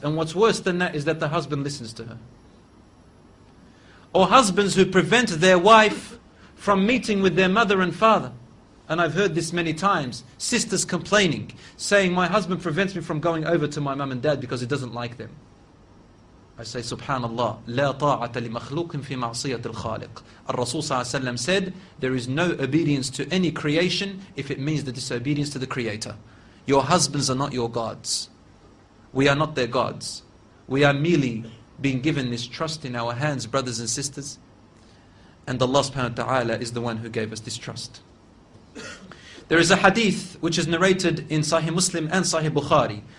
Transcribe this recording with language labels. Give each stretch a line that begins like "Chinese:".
English: And what's worse than that is that the husband listens to her. Or husbands who prevent their wife from meeting with their mother and father. And I've heard this many times. Sisters complaining, saying, "My husband prevents me from going over to my mum and dad because he doesn't like them." I say,
Arabic: subhanallah, لَا طَاعَةَ لِمَخْلُوقٍ فِي مَعْصِيَةِ الْخَالِقِ.
English: Rasul صلى الله عليه وسلم said, there is no obedience to any creation if it means the disobedience to the Creator. Your husbands are not your gods. We are not their gods. We are merely being given this trust in our hands, brothers and sisters. And Allah subhanahu wa ta'ala is the one who gave us this trust. There is a hadith which is narrated in Sahih Muslim and Sahih Bukhari.